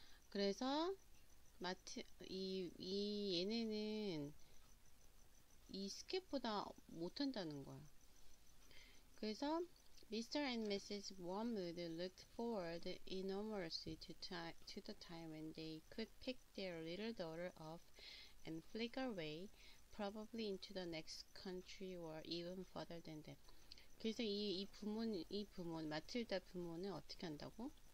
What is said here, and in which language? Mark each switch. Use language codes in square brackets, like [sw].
[ko] 그래서 얘네는 이 스캡보다 못한다는 거야. 그래서 Mr. and Mrs. [en] Wormwood looked forward enormously to the time when they could pick their little daughter up and flick away, probably into the next country or even further than that. [ko] 그래서 이 부모, 마틸다 부모는 어떻게 한다고?